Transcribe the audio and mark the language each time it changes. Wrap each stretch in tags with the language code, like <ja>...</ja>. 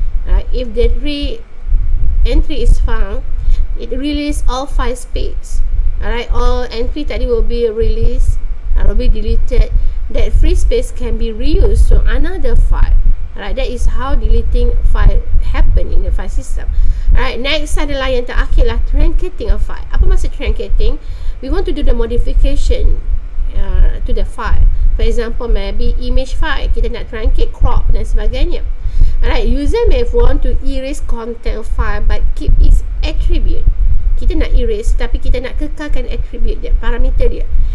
<en>Alright, if the entry is found, it release all file space. Alright, all entry</en> <ms>tadi</ms> <en>will be released. will be deleted. That free space can be reused to another file. Right, that is how deleting file happen in the file system. Alright, next</en> <ms>adalah yang terakhir lah,</ms> <en>truncating a file.</en> <ms>Apa maksud truncating?</ms> <en>We want to do the modification to the file. For example, maybe image file,</en> <ms>kita nak</ms> <en>truncate, crop</en> <ms>dan sebagainya.</ms> <en>Alright, user may want to erase content file but keep its attribute.</en> <ms>Kita nak erase tapi kita nak kekalkan attribute dia, parameter dia.</ms>